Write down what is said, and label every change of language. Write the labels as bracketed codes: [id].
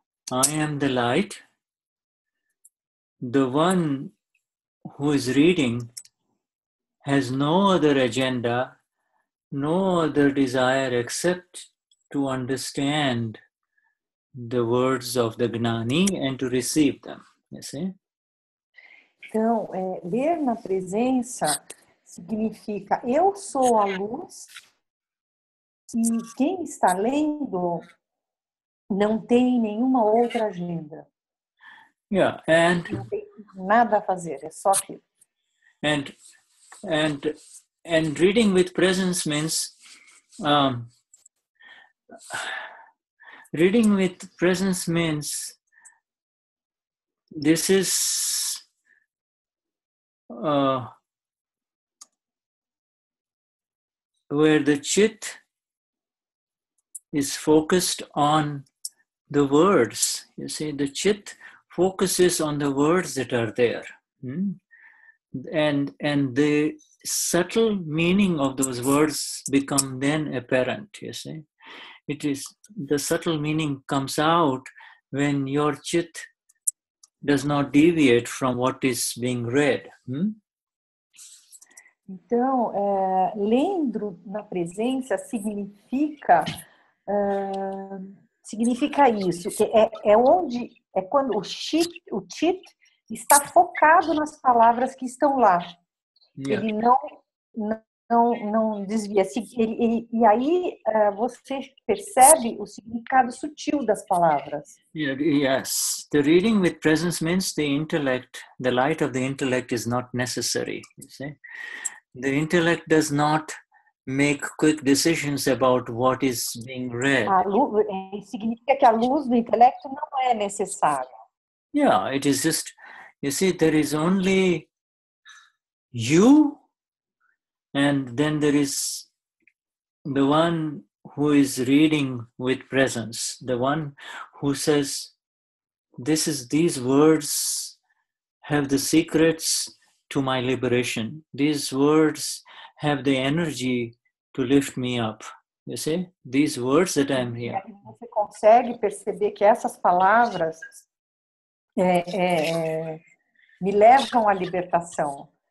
[en] I am the light. The one who is reading has no other agenda, no other desire except to understand the words of the Gnani and to receive them. You see? [pt] Então, ler na presença significa eu sou a luz e quem está lendo não tem nenhuma outra agenda. [en] Yeah, and [pt] não tem nada a fazer, é só aquilo. [en] And reading with presence means this is where the chit is focused on the words. You see, the chit focuses on the words that are there. And the subtle meaning of those words become then apparent, you see. It is the subtle meaning comes out when your chit does not deviate from what is being read. [pt] Então, lendo na presença significa isso, que é quando o chit está focado nas palavras que estão lá. [en] Yeah. [pt] Ele não desvia. E aí você percebe o significado sutil das palavras. [en] Yeah, yes. The reading with presence means the intellect, the light of the intellect is not necessary. You see? The intellect does not make quick decisions about what is being read. [pt] A luz, significa que a luz do intelecto não é necessária. [en] Yeah, it is just... You see, there is only you, and then there is the one who is reading with presence, the one who says, "This is these words have the secrets to my liberation. These words have the energy to lift me up." You see, these words that I'm here. [pt] Você consegue perceber que essas palavras me levam à libertação.